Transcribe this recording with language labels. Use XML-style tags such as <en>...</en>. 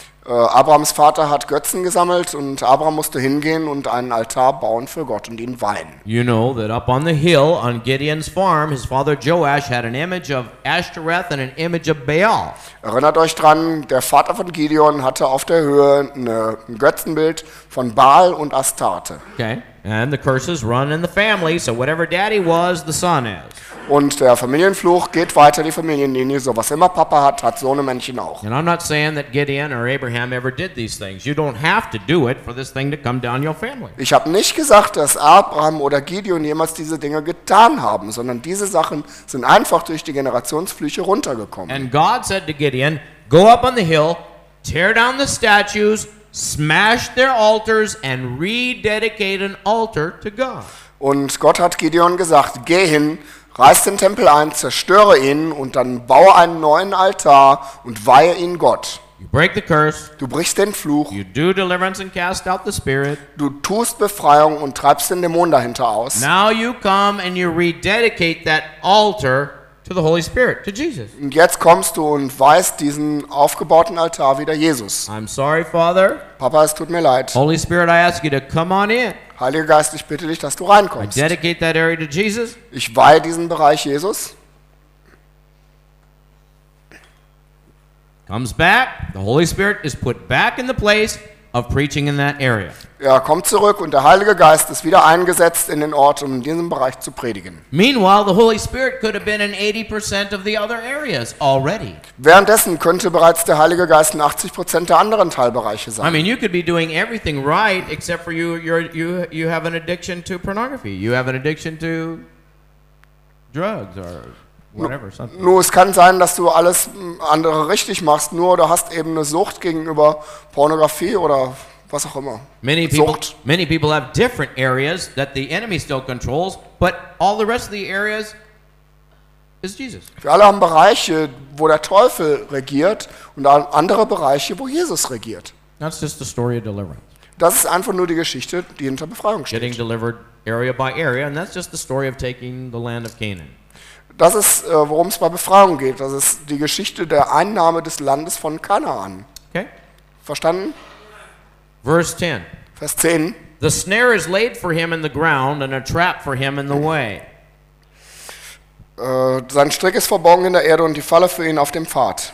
<de>Abrahams Vater hat Götzen gesammelt und Abraham musste hingehen und einen Altar bauen für Gott und ihn weihen.</de> <en>You know that up on the hill on Gideon's farm, his father Joash had an image of Ashtoreth and an image of Baal.</en> <de>Erinnert euch dran, der Vater von Gideon hatte auf der Höhe ein Götzenbild von Baal und Astarte.</de> <en>Okay. And the curses run in the family, so whatever daddy was, the son is.</en> <de>Und der Familienfluch geht weiter die Familienlinie, so was immer Papa hat, hat so ein Männchen auch.</de> <en>And I'm not saying that Gideon or Abraham ever did these things. You don't have to do it for this thing to come down your family.</en> <de>Ich habe nicht gesagt, dass Abraham oder Gideon jemals diese Dinge getan haben, sondern diese Sachen sind einfach durch die Generationsflüche runtergekommen.</de> <en>And God said to Gideon, go up on the hill, tear down the statues, smash their altars and rededicate an altar to God.</en> <de>Und Gott hat Gideon gesagt, geh hin, reiß den Tempel ein, zerstöre ihn und dann baue einen neuen Altar und weihe ihn Gott.</de> <en>You break the curse.</en> <de>Du brichst den Fluch.</de> <en>You do deliverance and cast out the spirit.</en> <de>Du tust Befreiung und treibst den Dämon dahinter aus.</de> <en>Now you come and you rededicate that altar to the Holy Spirit, to Jesus.</en> <de>Und jetzt kommst du und weihst diesen aufgebauten Altar wieder Jesus.</de> <en>I'm sorry, Father.</en> <de>Papa, es tut mir leid.</de> <en>Holy Spirit, I ask you to come on in.</en> <de>Heiliger Geist, ich bitte dich, dass du reinkommst.</de> <en>I dedicate that area to Jesus.</en> <de>Ich weihe diesen Bereich Jesus.</de> <en>Comes back. The Holy Spirit is put back in the place of preaching in that area.</en> <de>Er kommt zurück und der Heilige Geist ist wieder eingesetzt in den Ort, um in diesem Bereich zu predigen.</de> <en>Meanwhile, the Holy Spirit could have been in 80% of the other areas already.</en> <de>Währenddessen könnte bereits der Heilige Geist in 80% der anderen Teilbereiche sein.</de> <en>I mean, you could be doing everything right except for you have an addiction to pornography. You have an addiction to drugs or whatever, something.</en> <de>Nur es kann sein, dass du alles andere richtig machst, nur du hast eben eine Sucht gegenüber Pornografie oder was auch immer.</de> <en>Many people have different areas that the enemy still controls, but all the rest of the areas is Jesus.</en> <de>Wir alle haben Bereiche, wo der Teufel regiert und andere Bereiche, wo Jesus regiert.</de> <en>That's just the story of deliverance.</en> <de>Das ist einfach nur die Geschichte, die hinter Befreiung steht.</de> <en>Getting delivered area by area, and that's just the story of taking the land of Canaan.</en> <de>Das ist, worum es bei Befreiung geht. Das ist die Geschichte der Einnahme des Landes von Kanaan.</de> <en>Okay.</en> <de>Verstanden?</de> <en>Verse 10.</en> <de>Vers 10.</de> <en>The snare is laid for him in the ground and a trap for him in the way.</en> <de>Sein Strick ist verborgen in der Erde und die Falle für ihn auf dem Pfad.</de>